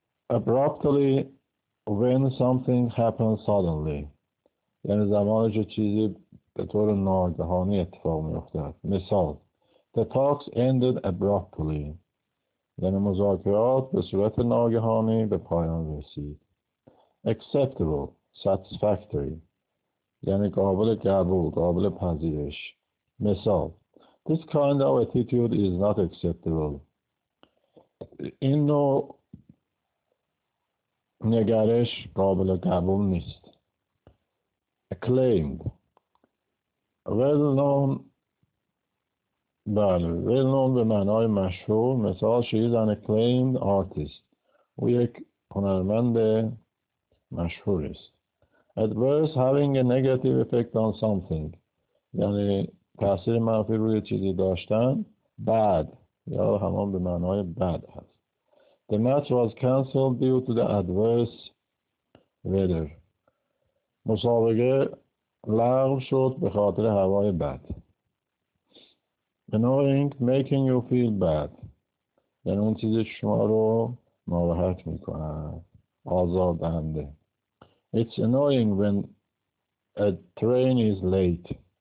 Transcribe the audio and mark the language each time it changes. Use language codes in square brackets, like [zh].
[en] Abruptly when something happens suddenly، [fa] یعنی زمانی که چیزی به طور ناگهانی اتفاق میافتد. [en] مثال: The talks ended abruptly. [fa] یعنی مذاکرات به صورت ناگهانی به پایان رسید. [en] Acceptable، satisfactory. [fa] یعنی قابل قبول، قابل پذیرش. [en] مثال: This kind of attitude is not acceptable. [fa] این نوع نگرش قابل قبول نیست. [en] Acclaimed، well known. بله، well known [fa] به معنای مشهور. مثال: [en] She is an acclaimed artist. [fa] او یک هنرمند مشهور است. [en] Adverse، having a negative effect on something. [fa] یعنی تأثیر منفی روی چیزی داشتن. Bad یا همان به معنای بد هست. [en] The match was cancelled due to the adverse weather. [fa] مسابقه لغو شد به خاطر هوای بد. [en] Annoying، making you feel bad. [fa] یعنی اون چیزی شما رو ناراحت میکنه، آزار دهنده. [en] It's annoying when a train is late.